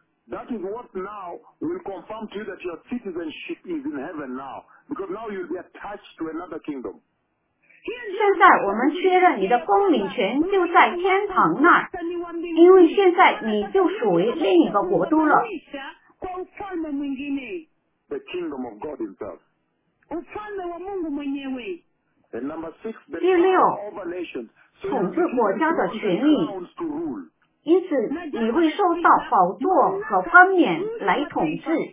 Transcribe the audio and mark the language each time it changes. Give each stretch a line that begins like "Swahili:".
English: That is what now will confirm to you that your citizenship is in heaven now, because now you'll be attached to another kingdom.
Chinese: 现在我们确认你的公民权就在天堂那儿，因为现在你就属于另一个国度了。
English: The kingdom of God himself.
Chinese: 第六，统治国家的权利，因此你会受到宝座和冠冕来统治。